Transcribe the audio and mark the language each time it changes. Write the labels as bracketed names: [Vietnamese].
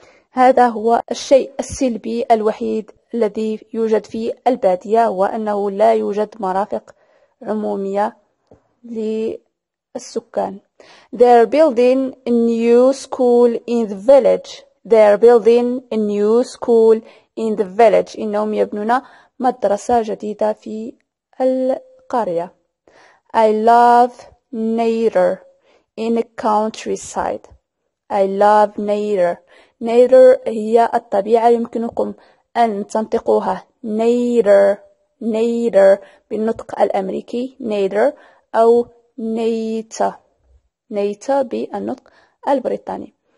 [Arabic] هذا هو الشيء السلبي الوحيد الذي يوجد في البادية، وأنه لا يوجد مرافق عمومية للسكان. [English] They're building a new school in the village. They're building a new school in the village. [Arabic] إنهم يبنون مدرسة جديدة في القرية. [English] I love nature in the countryside. I love nature. [Arabic] Nature هي الطبيعة، يمكنكم أن تنطقوها نيدر نيدر بالنطق الأمريكي نيدر أو نيتا نيتا بالنطق البريطاني.